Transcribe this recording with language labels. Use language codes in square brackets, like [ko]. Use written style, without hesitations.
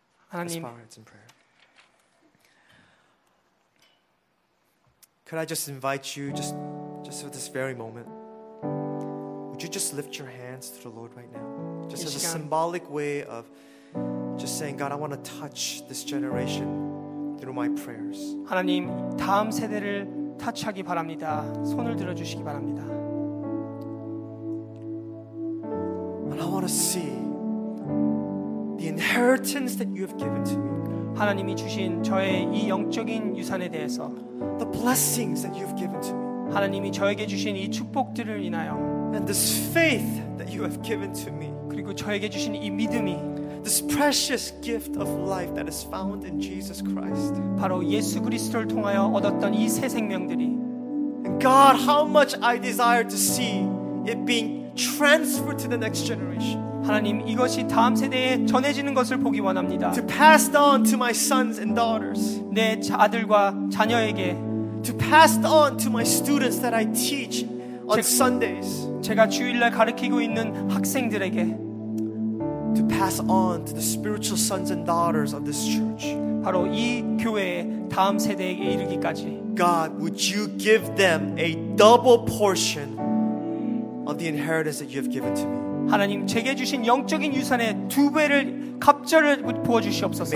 [ko] 하나님. [en] Could I just invite you just for this very moment? Would you just lift your hands to the Lord right now? Just as a symbolic way of just saying God, I want to touch this generation through my prayers. [ko] 하나님, 다음 세대를 터치하기 바랍니다. 손을 들어 주시기 바랍니다. [en] And I want to see the inheritance that you have given to me. [ko] 하나님이 주신 저의 이 영적인 유산에 대해서. [en] The blessings that you have given to me. [ko] 하나님이 저에게 주신 이 축복들을 인하여. [en] And this faith that you have given to me. [ko] 그리고 저에게 주신 이 믿음이. [en] This precious gift of life that is found in Jesus Christ. [ko] 바로 예수 그리스도를 통하여 얻었던 이 새 생명들이. [en] And God, how much I desire to see it being transferred to the next generation. [ko] 하나님 이것이 다음 세대에 전해지는 것을 보기 원합니다. [en] To pass on to my sons and daughters. [ko] 내 아들과 자녀에게. [en] To pass on to my students that I teach on Sundays. [ko] 제가 주일날 가르치고 있는 학생들에게. [en] To pass on to the spiritual sons and daughters of this church. [ko] 바로 이 교회의 다음 세대에게 이르기까지. [en] God, would you give them a double portion of the inheritance that you have given to me? [ko] 하나님 제게 주신 영적인 유산의 두 배를 갑절을 부어 주시옵소서.